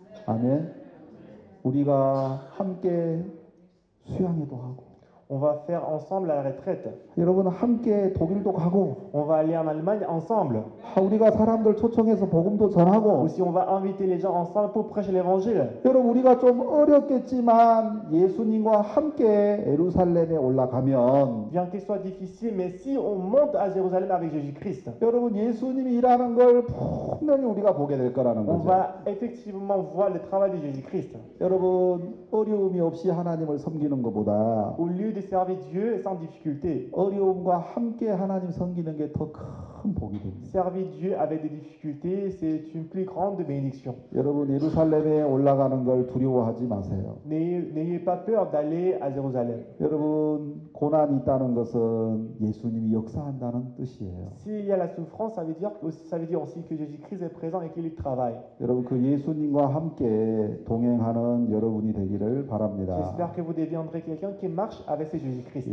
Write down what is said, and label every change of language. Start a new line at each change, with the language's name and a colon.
Korean: 아멘. 우리가 함께 수양회도 하고
French: On va faire ensemble la retraite.
Korean: 여러분 함께 독일도 가고.
French: On va aller en Allemagne ensemble.
Korean: 우리가 사람들 초청해서 복음도 전하고.
French: Aussi on va inviter les gens ensemble pour prêcher l'évangile.
Korean: 여러분 우리가 좀 어렵겠지만 예수님과 함께 예루살렘에 올라가면.
French: Bien qu'il soit difficile, mais si on monte à Jérusalem avec Jésus-Christ.
Korean: 여러분 예수님이 일하는 걸 분명히 우리가 보게 될 거라는 거죠.
French: On va effectivement voir le travail de Jésus-Christ.
Korean: 여러분 어려움이 없이 하나님을 섬기는 것보다.
French: De servir Dieu sans difficulté.
Korean: 어려움과 함께 하나님 섬기는 게 더 큰 복이 됩니다.
French: Servir Dieu avec des difficultés, c'est une plus grande bénédiction.
Korean: 여러분 예루살렘에 올라가는 걸 두려워하지 마세요.
French: N'ayez pas peur d'aller à Jérusalem.
Korean: 여러분 고난이 있다는 것은 예수님이 역사한다는 뜻이에요.
French: S'il y a la souffrance, ça veut dire aussi que Jésus-Christ est présent et qu'il travaille.
Korean: 여러분 그 예수님과 함께 동행하는 여러분이 되기를 바랍니다.
French: J'espère que vous deviendrez quelqu'un qui marche avec Jésus-Christ.